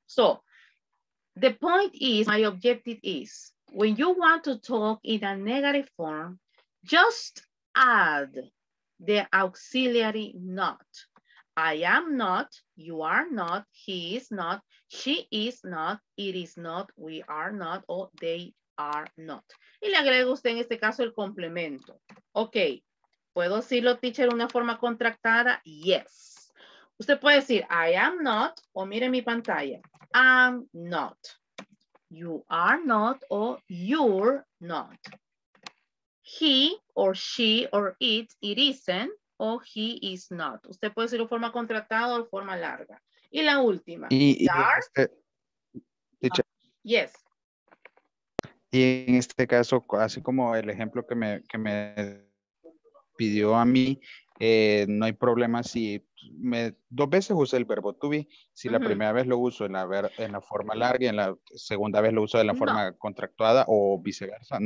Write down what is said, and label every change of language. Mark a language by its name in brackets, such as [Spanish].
[English] So, the point is, my objective is, when you want to talk in a negative form, just add the auxiliary not. I am not, you are not, he is not, she is not, it is not, we are not, or they are not. [Spanish] Y le agrego usted en este caso el complemento. Okay. ¿Puedo decirlo, teacher, de una forma contractada? Yes. Usted puede decir, [English] I am not, [Spanish] o mire mi pantalla. [English] I'm not. You are not, o you're not. He, or she, or it isn't, o he is not. [Spanish] Usted puede decirlo de forma contractada o de forma larga. Y la última. [English] Teacher. Yes. [Spanish] Y en este caso, así como el ejemplo que me pidió a mí, no hay problema si me, dos veces usé el verbo to be, si la primera vez lo uso en la forma larga y en la segunda vez lo uso de la forma contractuada o viceversa.